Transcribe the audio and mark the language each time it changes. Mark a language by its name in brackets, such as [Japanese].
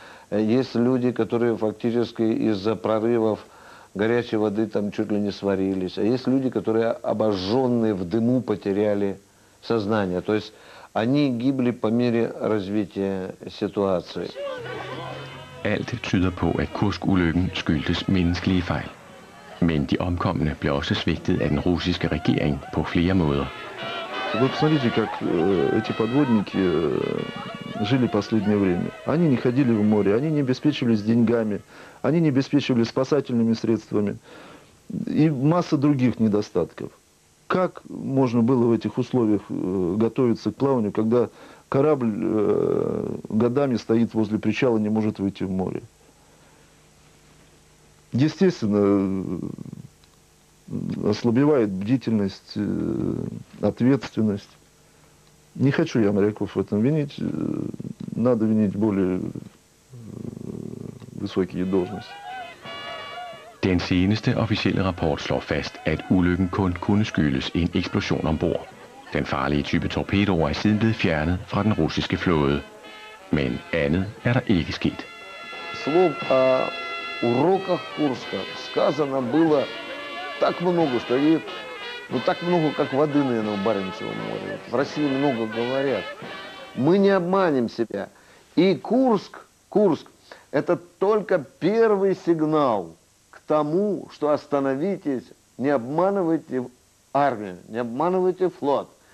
[Russian] Есть люди, которые фактически из-за прорывов горячей воды там чуть ли не сварились. А есть люди, которые обожженные в дыму потеряли сознание. То есть они гибли по мере развития ситуации. [Danish] Alt tyder på, at Kursk-ulykken skyldtes menneskelige fejl. Men de omkomne blev også svigtet af den russiske regering på flere måder. [Russian] Вы посмотрите, как эти подводники жили последнее время. Они не ходили в море, они не обеспечивались деньгами, они не обеспечивались спасательными средствами и масса других недостатков. Как можно было в этих условиях готовиться к плаванию, когда корабль годами стоит возле причала, не может выйти в море? Естественно, ослабевает бдительность, ответственность. Не хочу я моряков в этом винить. Надо винить более высокие должности. [Danish] Den seneste officielle rapport slår fast, at ulykken kun kunne skyldes en eksplosion ombord. Den farlige type torpedoer er siden blevet fjernet fra den russiske flåde. Men andet er der ikke sket. [Russian] Slov о уроках Курска сказано было так много, что и ну так много, как воды, наверное, в Баренцевом море. В России много говорят. Мы не обманем себя. И Курск, это только первый сигнал к тому, что остановитесь, не обманывайте армию, не обманывайте флот.